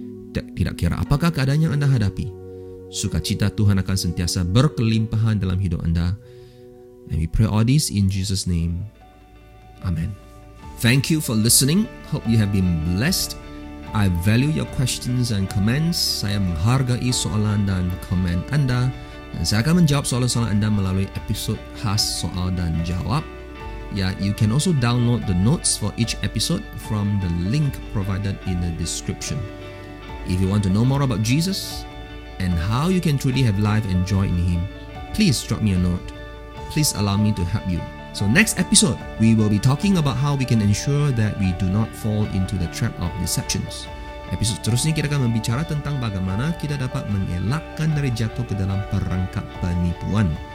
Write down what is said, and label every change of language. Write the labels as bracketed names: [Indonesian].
[Malay] Tidak kira apakah keadaan yang Anda hadapi, sukacita Tuhan akan sentiasa berkelimpahan dalam hidup Anda. [English] And we pray all this in Jesus' name. Amen. Thank you for listening. Hope you have been blessed. I value your questions and comments. [Malay] Saya menghargai soalan dan komen Anda. Dan saya akan menjawab soalan-soalan Anda melalui episode khas soal dan jawab. [English] Yeah, you can also download the notes for each episode from the link provided in the description. If you want to know more about Jesus and how you can truly have life and joy in Him, please drop me a note. Please allow me to help you. So next episode, we will be talking about how we can ensure that we do not fall into the trap of deceptions. [Malay] Episode seterusnya kita akan membicara tentang bagaimana kita dapat mengelakkan dari jatuh ke dalam perangkap penipuan.